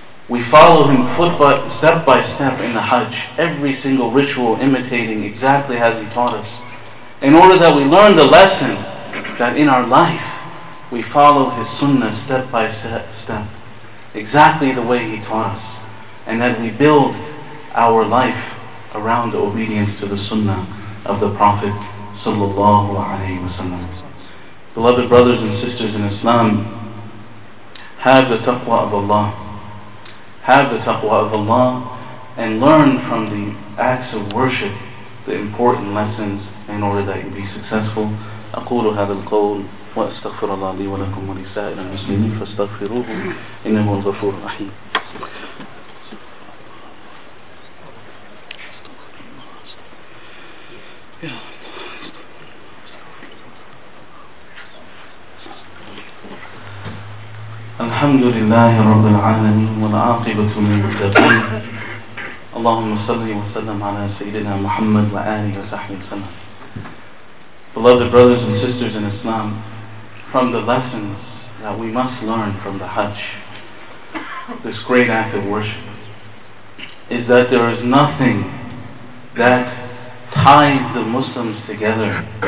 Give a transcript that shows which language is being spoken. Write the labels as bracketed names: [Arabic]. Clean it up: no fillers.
[English] We follow him step by step in the Hajj, every single ritual imitating exactly as he taught us, in order that we learn the lesson that in our life we follow his sunnah step by step, exactly the way he taught us, and that we build our life around the obedience to the sunnah of the Prophet sallallahu alaihi wasallam. Beloved brothers and sisters in Islam, have the taqwa of Allah. Have the taqwa of Allah and learn from the acts of worship the important lessons in order that you be successful. [Arabic] أقول هذا القول وأستغفر الله لي ولكم ولسائر المسلمين فاستغفروه إنه الغفور الرحيم. الحمد لله رب العالمين والعاقبة للمتقين. اللهم صل وسلم على سيدنا محمد وآله وصحبه وسلم. [English] Beloved brothers and sisters in Islam, from the lessons that we must learn from the Hajj, this great act of worship, is that there is nothing that ties the Muslims together.